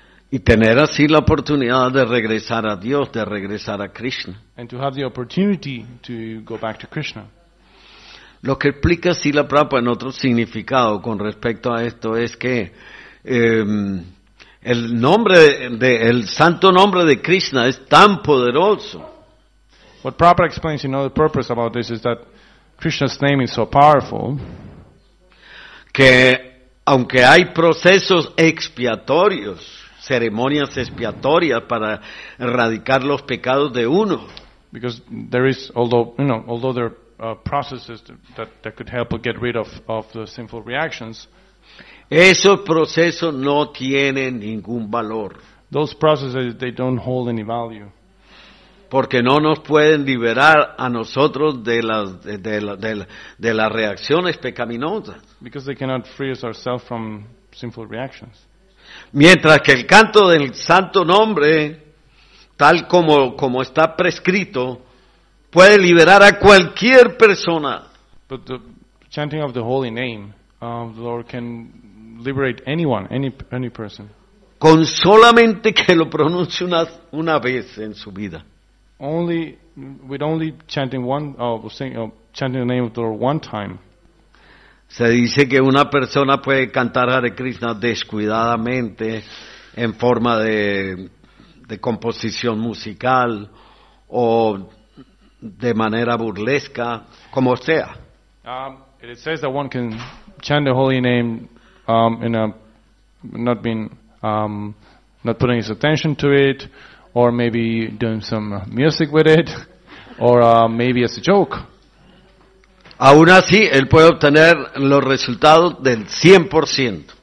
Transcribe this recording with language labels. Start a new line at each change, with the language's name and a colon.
Spanish: Y tener así la oportunidad de regresar a Dios, de regresar a Krishna.
English: And to have the opportunity to go back to Krishna.
Spanish: Lo que explica Srila Prabhupada en otro significado con respecto a esto es que el nombre el santo nombre de Krishna es tan poderoso.
English: What Prabhupada explains in other purpose about this is that Krishna's name is so powerful
Spanish: que aunque hay procesos expiatorios, ceremonias expiatorias para erradicar los pecados de uno.
English: Because there is, although there are processes that could help get rid of the sinful reactions.
Spanish: Esos procesos no tienen ningún valor.
English: Those processes they don't hold any value.
Spanish: Porque no nos pueden liberar a nosotros de las reacciones pecaminosas.
English: Because they cannot free us ourselves from sinful reactions.
Spanish: Mientras que el canto del santo nombre, tal como está prescrito, puede liberar a cualquier persona.
English: But the chanting of the holy name of the Lord can liberate anyone, any person.
Spanish: Con solamente que lo pronuncie una vez en su vida.
English: Only with only chanting one chanting the name of the Lord one time.
Spanish: Se dice que una persona puede cantar Hare Krishna descuidadamente en forma de composición musical o de manera burlesca, como sea.
English: It says that one can chant the holy name in a not being not putting his attention to it, or maybe doing some music with it, or maybe as a joke.
Spanish: Aún así, él puede obtener los resultados del 100%.